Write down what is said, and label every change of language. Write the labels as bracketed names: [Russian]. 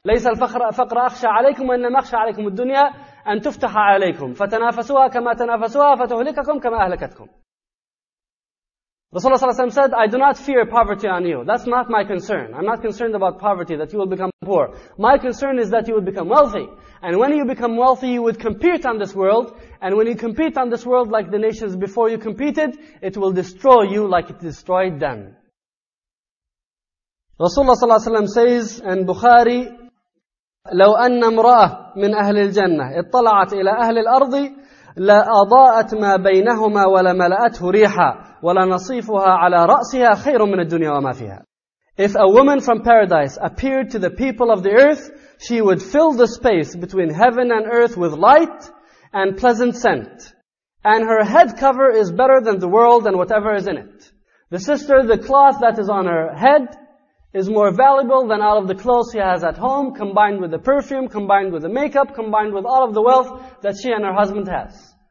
[Arabic] ليس الفقر فقر أخشى عليكم وإنما أخشى عليكم الدنيا أن تفتح عليكم فتنافسوها كما تنافسوها فتهلككم كما أهلكتكم. [English] Rasulullah ﷺ said, I do not fear poverty on you. That's not my concern. I'm not concerned about poverty, that you will become poor. My concern is that you will become wealthy. And when you become wealthy, you would compete on this world. And when you compete on this world like the nations before you competed, it will destroy you like it destroyed them. Rasulullah ﷺ says in Bukhari, [Arabic] لو أن امرأة من أهل الجنة اطلعت إلى أهل الأرض لا أضاءت ما بينهما ولا ملأته ريحا ولا نصيفها على رأسها خير من الدنيا وما فيها. [English] If a woman from paradise appeared to the people of the earth, she would fill the space between heaven and earth with light and pleasant scent. And her head cover is better than the world and whatever is in it. The sister, the cloth that is on her head is more valuable than all of the clothes she has at home, combined with the perfume, combined with the makeup, combined with all of the wealth that she and her husband has.